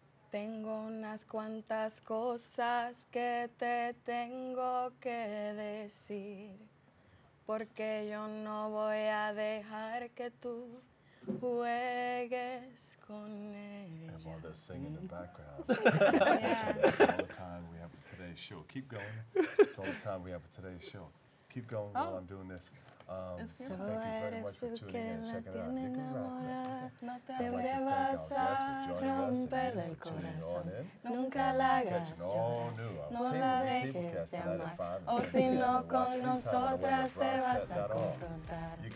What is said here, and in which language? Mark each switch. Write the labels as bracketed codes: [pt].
[es] Tengo unas cuantas cosas que te tengo que decir, porque yo no voy a dejar que tú juegues con ella. [en] And while they're singing in the background. Yeah. It's all the time we have for today's show. Keep going. It's all the time we have for today's show. Keep going while I'm doing this. [es] So eres tú quien la tiene enamorada, no te atrevas a romper el corazón, nunca la hagas llorar, no la dejes de amar, o si no con nosotras te vas a confrontar,